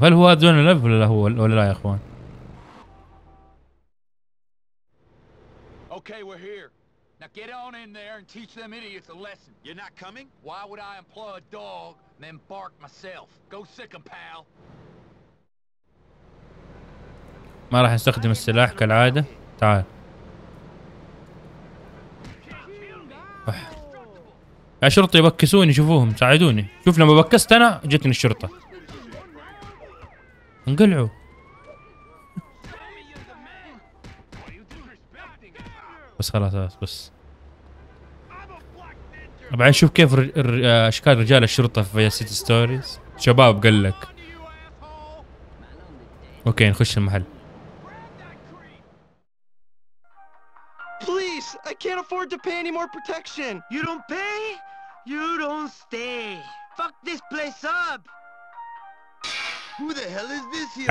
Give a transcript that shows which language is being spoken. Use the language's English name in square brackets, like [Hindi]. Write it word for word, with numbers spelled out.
[Arabic] هل هو دونالد لوف ولا هو ولا لا يا اخوان؟ [English] Okay, we're here. Now get on in there and teach them idiots a lesson. You're not coming? Why would I employ a dog and then bark myself? Go sick 'em, pal. [Arabic] ما راح نستخدم السلاح كالعادة. تعال. يا شرطي بكسوني، شوفوهم ساعدوني. شوف لما بكست أنا جتني الشرطة. انقلعوا. بس خلاص بس بعدين شوف كيف اشكال رجال الشرطه في سيتي ستوريز. شباب قال لك اوكي نخش المحل. [English] Please, I can't afford to pay any more protection. You don't pay, you don't stay. Fuck this place up. Who the hell is this here?